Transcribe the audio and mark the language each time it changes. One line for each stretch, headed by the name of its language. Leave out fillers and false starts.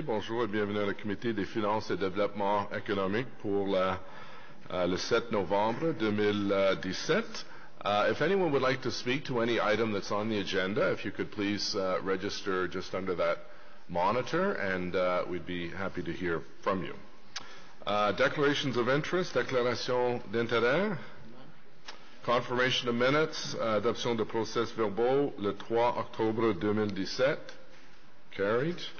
French: Bonjour et bienvenue à la Comité des Finances et Développement Économique pour le 7 novembre 2017.
English: If anyone would like to speak to any item that's on the agenda, if you could please register just under that monitor, and we'd be happy to hear from you. Declarations of interest,
French: déclaration d'intérêt,
English: confirmation of minutes,
French: adoption de process verbaux, le 3 octobre 2017,
English: carried.